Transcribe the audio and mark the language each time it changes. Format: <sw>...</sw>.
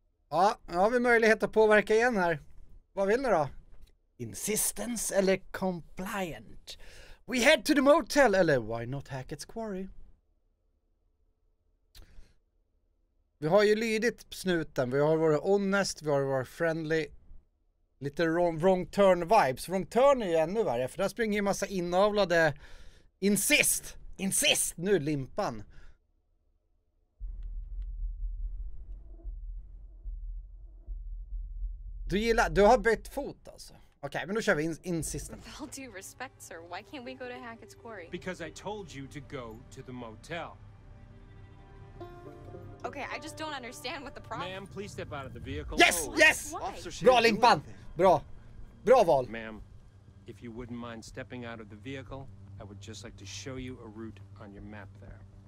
<sv>Ja, nu har vi möjlighet att påverka igen här. Vad vill ni då? Insistence eller compliant?</sv> <en>We head to the motel, eller why not Hackett's Quarry?</en> <sv>Vi har ju lydigt snuten, vi har varit honest, vi har varit friendly. Lite wrong turn vibes. Wrong turn är ju ännu värre, för där springer ju massa inavlade. Insist nu limpan. Du har bytt fot alltså. Okej, men då kör vi insisten.</sv> <en>With all due respect, sir, why can't we go to Hackett's Quarry? Because I told you to go to the motel. Okay, I just don't understand what the problem. Ma'am, please step out of the vehicle. Yes, oh, yes. Why?</en> <sv>Bra limpan. Bra. Bra val.</sv> <en>Ma'am, if you wouldn't mind stepping out of the vehicle, I would just like to show you a route on your map there.</en>